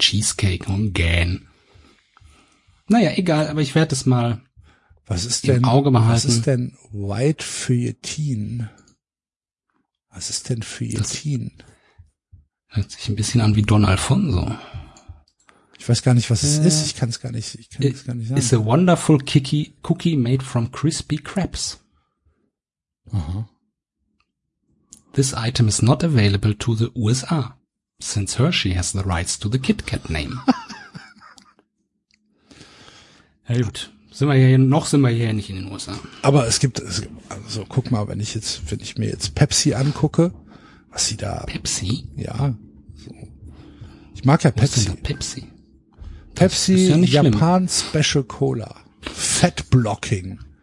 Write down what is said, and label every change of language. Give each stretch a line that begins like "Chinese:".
German: Cheesecake und Gähn. Naja, egal, aber ich werde es mal im Auge behalten. Was ist denn White Feuilletine? Was ist denn Feuilletine? Das hört sich ein bisschen an wie Don Alfonso. Ich weiß gar nicht, was es ist. Ich kann es gar nicht sagen.
English: It's a wonderful cookie made from crispy crepes.
German: Aha.
English: This item is not available to the USA, since Hershey has the rights to the KitKat name.
German: Ja, gut. Sind wir hier nicht in den USA. Aber es gibt, guck mal, wenn ich mir jetzt Pepsi angucke, was sie da. Pepsi? Ja. So. Ich mag ja was Pepsi. Ist denn da Pepsi? Pepsi, ist ja nicht Japan schlimm. Special Cola. Fat Blocking.